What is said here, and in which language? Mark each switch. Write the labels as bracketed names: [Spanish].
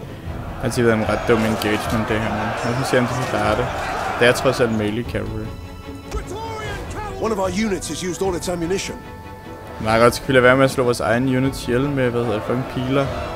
[Danish] Jeg har altid været en ret dum engagement, det her med. Nu ser jeg, om de klarer det. Det er trods alt melee cavalry. [English] One of our units has used all its ammunition. [Danish] Nej, godt, så kan vi lade være med at slå vores egen units ihjel med, hvad hedder det, fucking piler.